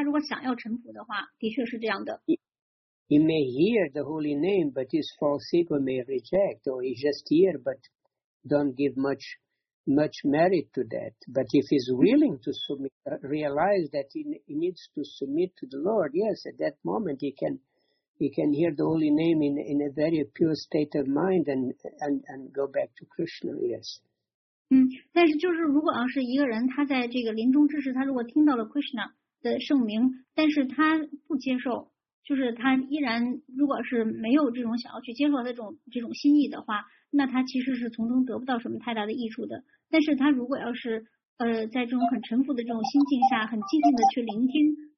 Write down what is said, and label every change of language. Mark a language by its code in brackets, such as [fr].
[zh] 对，如果他要是愿意臣服，他如果想要臣服的话，的确是这样的。 [en] He may hear the holy name, but his false ego may reject, or he just hear, but don't give much merit to that. But if he's willing to submit, realize that he needs to submit to the Lord, yes, at that moment he can hear the holy name in a very pure state of mind and go back to Krishna, yes. [zh] 但是就是如果要是一个人他在这个临终之时，他如果听到了 Krishna 的圣名，但是他不接受，就是他依然如果是没有这种想要去接受他这种心意的话，那他其实是从中得不到什么太大的益处的。但是他如果要是在这种很臣服的这种心境下，很静静的去聆听。